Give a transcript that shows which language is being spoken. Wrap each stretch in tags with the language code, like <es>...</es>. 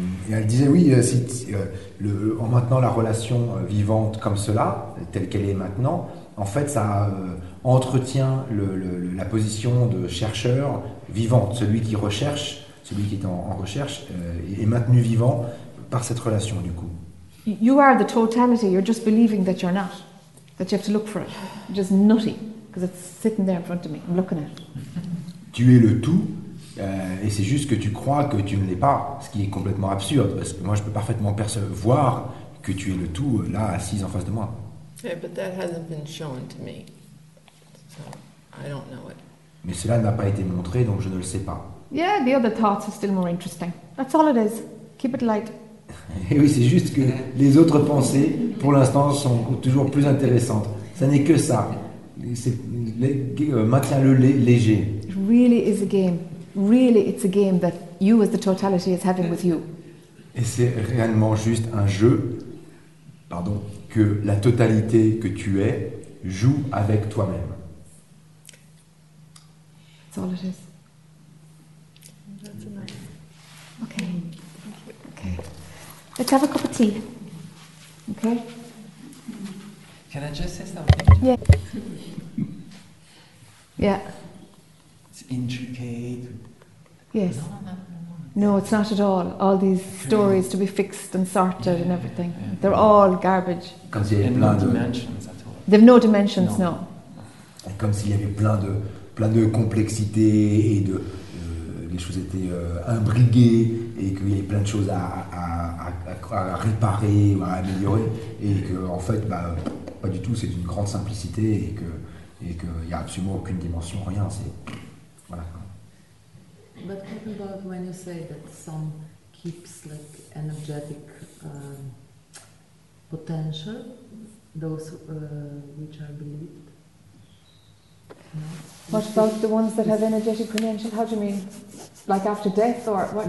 <fr>Et elle disait, oui, en maintenant la relation vivante comme cela, telle qu'elle est maintenant, en fait, ça entretient la position de chercheur vivante. Celui qui recherche, celui qui est en recherche, est maintenu vivant par cette relation, du coup.</fr> <en>You are the totality, you're just believing that you're not, that you have to look for it. Just nutty, because it's sitting there in front of me, I'm looking at it.</en> <fr>Tu es le tout, et c'est juste que tu crois que tu ne l'es pas, ce qui est complètement absurde, parce que moi je peux parfaitement percevoir que tu es le tout, là, assise en face de moi.</fr> <en>Yeah, but that hasn't been shown to me, so I don't know it.</en> <fr>Mais cela n'a pas été montré, donc je ne le sais pas.</fr> <en>Yeah, the other thoughts are still more interesting. That's all it is. Keep it light.</en> <fr>Et oui, c'est juste que les autres pensées, pour l'instant, sont toujours plus intéressantes. Ça n'est que ça. Maintiens-le léger.</fr> <en>It really is a game. Really, it's a game that you as the totality is having with you.</en> <fr>Et c'est réellement juste un jeu, pardon, que la totalité que tu es joue avec toi-même.</fr> <en>That's all it is. Let's have a cup of tea. Okay? Can I just say something? Yeah. Yeah. It's intricate. Yes. No, it's not at all. All these stories to be fixed and sorted and everything. Yeah. They're all garbage.</en> <fr>Comme s'il y avait plein de dimensions</fr> <en>at all. They've no dimensions, no.</en> <fr>Et comme s'il y avait plein de complexité et de les choses étaient imbriguées et qu'il y avait plein de choses à réparer ou à améliorer et que en fait bah pas du tout, c'est une grande simplicité et que il y a absolument aucune dimension, rien, c'est voilà.</fr> <en>But Kupenberg, when you say that some keeps like energetic potential, those which are believed, no? What about the ones that have energetic potential? How do you mean, like after death or what?</en>